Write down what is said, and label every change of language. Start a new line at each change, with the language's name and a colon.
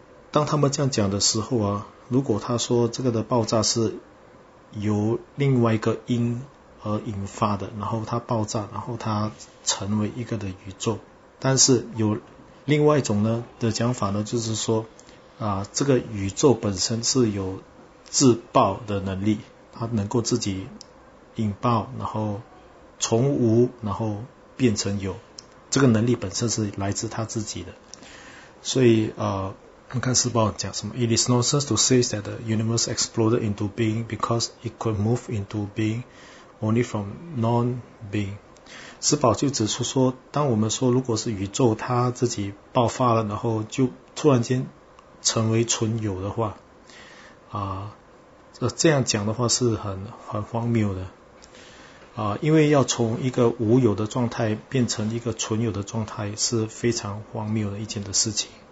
Chinese: 当他们这样讲的时候啊。如果他说这个的爆炸是由另外一个因而引发的，然后它爆炸，然后它成为一个的宇宙，但是有另外一种呢的讲法呢，就是说这个宇宙本身是有自爆的能力，它能够自己引爆，然后从无然后变成有，这个能力本身是来自它自己的。所以我们看四报讲什么。
English: It is nonsense to say that the universe exploded into being because it could move into being only from non-being.
Chinese: 四报就指出说，当我们说如果是宇宙它自己爆发了，然后就突然间成为存有的话这样讲的话是很荒谬的因为要从一个无有的状态变成一个存有的状态是非常荒谬的一件的事情。